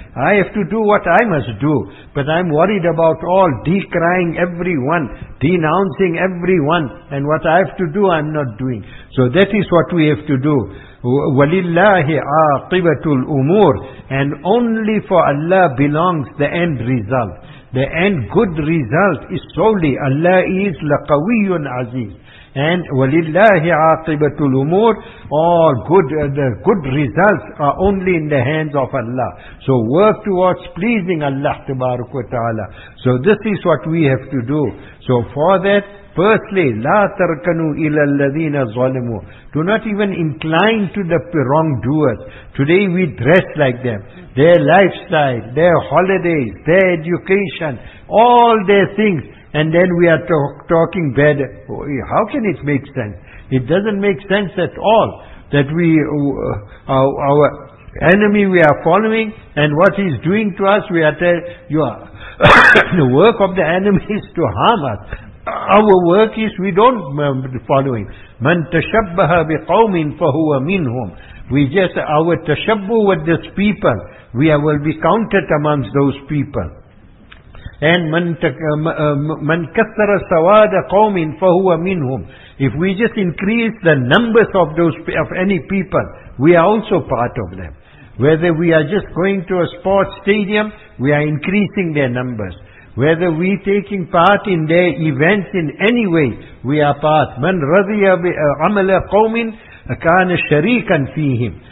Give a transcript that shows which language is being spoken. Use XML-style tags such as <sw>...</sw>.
<en>I have to do what I must do. But I'm worried about all, decrying everyone, denouncing everyone, and what I have to do, I'm not doing. So that is what we have to do.</en> <ar>وَلِلَّهِ عَاقِبَةُ الْأُمُورِ.</ar> <en>And only for Allah belongs the end result. The end good result is solely Allah is</en> <ar>لَقَوِيٌّ عَزِيزٌ. And وَلِلَّهِ عَاقِبَةُ الْأُمُورِ.</ar> <en>All good, the good results are only in the hands of Allah. So work towards pleasing Allah</en> <ar>تبارك وتعالى.</ar> <en>So this is what we have to do. So for that, firstly,</en> <ar>لا تركنوا إلى الذين ظلموا.</ar> <en>Do not even incline to the wrongdoers. Today we dress like them. Their lifestyle, their holidays, their education, all their things. And then we are talking bad. How can it make sense? It doesn't make sense at all that we our enemy we are following, and what he's doing to us, we are telling you the work of the enemy is to harm us. Our work is, we don't follow him.</en> <ar>مَن تَشَبَّهَ بِقَوْمٍ فَهُوَ مِنْهُمْ.</ar> <en>We just, our tashabbu with this people, we will be counted amongst those people.</en> <ar>And مَن كَثَّرَ سَوَادَ قَوْمٍ فَهُوَ مِنْهُمْ.</ar> <en>If we just increase the numbers of those, of any people, we are also part of them. Whether we are just going to a sports stadium, we are increasing their numbers. Whether we taking part in their events in any way, we are part.</en> <ar>مَنْ رَضِيَ بِعَمَلَ قَوْمٍ كَانَ شَرِيكًا فِيهِمْ.</ar>